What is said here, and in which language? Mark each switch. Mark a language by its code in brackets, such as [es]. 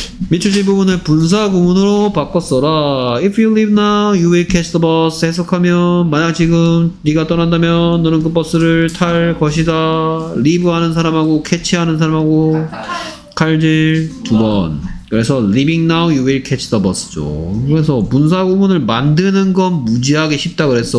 [ko] 미추진 부분을 분사 구문으로 바꿨어라. [en] If you leave now, you will catch the bus. [ko] 해석하면, 만약 지금 네가 떠난다면 너는 그 버스를 탈 것이다. leave하는 사람하고 catch하는 사람하고 칼질 두 번. 그래서 [en] leaving now, you will catch the bus죠. [ko] 그래서 분사 구문을 만드는 건 무지하게 쉽다 그랬어.